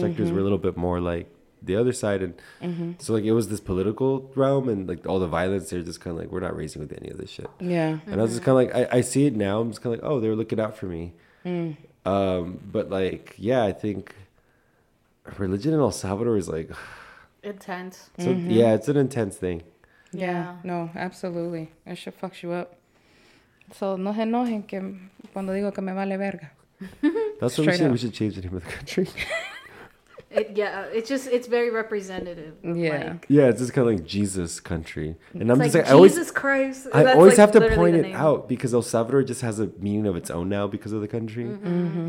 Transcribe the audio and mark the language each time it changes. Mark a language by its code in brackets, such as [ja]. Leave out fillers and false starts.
[en] sectors were a little bit more like the other side. And mm-hmm. so like it was this political realm and like all the violence, they're just kind of like, we're not raising with any of this shit. Yeah. Mm-hmm. And I was just kind of like, I see it now. I'm just kind of like, oh, they're looking out for me. Mm. But like, yeah, I think... Religion in El Salvador is like intense. So, mm-hmm. Yeah, it's an intense thing. Yeah, no, absolutely. That shit fucks you up. [es] So no se enojen que cuando digo que me vale verga. [en] That's what we should change the name of the country. it's very representative. Yeah. Like, yeah, it's just kind of like Jesus country. And it's I'm just like Jesus always, Christ. I always like have to point it out because El Salvador just has a meaning of its own now because of the country. Mm-hmm.